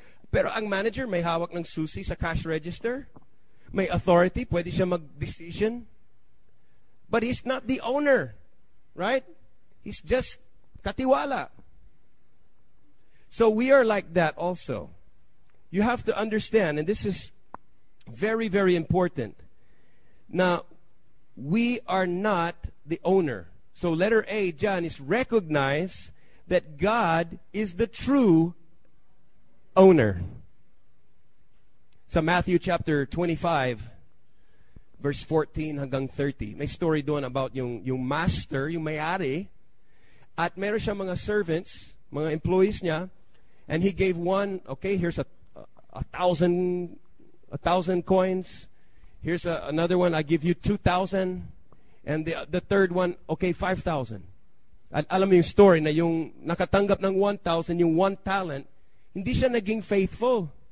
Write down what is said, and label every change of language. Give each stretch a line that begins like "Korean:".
Filipino: Pero ang manager may hawak ng susi sa cash register. May authority, pwede siya mag-decision.
English: But he's not the owner, right? He's just katiwala. So we are like that also. You have to understand, and this is very, very important. Now, we are not the owner. So letter A, John, is recognize that God is the true owner. So Matthew chapter 25, verse 14 hanggang 30.
Filipino: May story doon about yung master, yung may-ari. At meron siya mga servants, mga employees niya.
English: And he gave one, okay, here's a thousand coins. Here's another one, I give you 2,000. And the third one, okay,
Filipino: 5,000. At alam mo yung story na yung nakatanggap ng 1,000, yung one talent, hindi siya naging faithful.